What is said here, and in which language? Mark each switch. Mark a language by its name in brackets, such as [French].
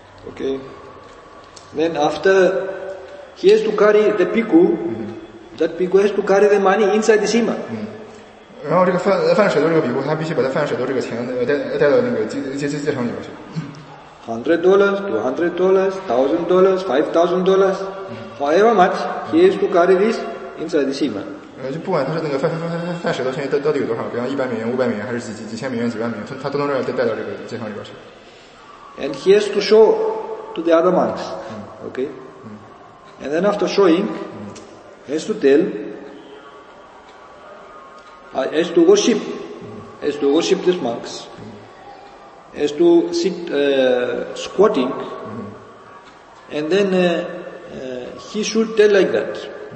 [English] Okay, then after he has to carry the bhikkhu, that bhikkhu has to carry the money inside the sima. [Chinese] 然后这个犯舍多这个比库，他必须把他犯舍多这个钱带到那个戒场里边去。 [English] $100, $200, $1,000, $5,000, however much he is to carry this inside the sima. [Chinese] 就不管他是那个犯舍多钱到底有多少，比方100美元、500美元，还是几千美元、几万美元，他都能让带到这个戒场里边去。 [English] And he has to show to the other monks, okay? And then after showing, he has to tell. Has to worship, has to worship these monks, has to sit squatting, and then he should tell like that.